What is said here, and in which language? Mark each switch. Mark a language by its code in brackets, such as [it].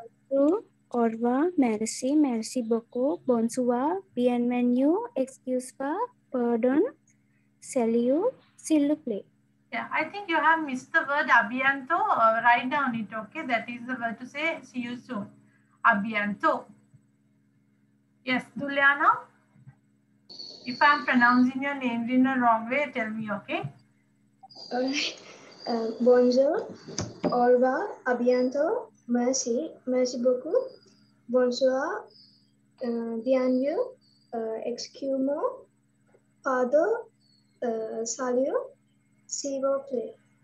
[fr] Bonjour, au revoir, merci, merci beaucoup, bonsoir, bienvenue, excuse-moi, pardon, salut, s'il vous plaît. [en] Yeah, I think you have missed the word [fr] à bientôt. [en] Write down it, okay? That is the word to say, see you soon. [fr] À bientôt. [en] Yes, Duliana? If I'm pronouncing your name in a wrong way, tell me, okay? [fr] Bonjour, au revoir, à bientôt, merci, merci beaucoup, bonsoir, bienvenue, excuse-moi, pardon, salut, s'il vous plaît.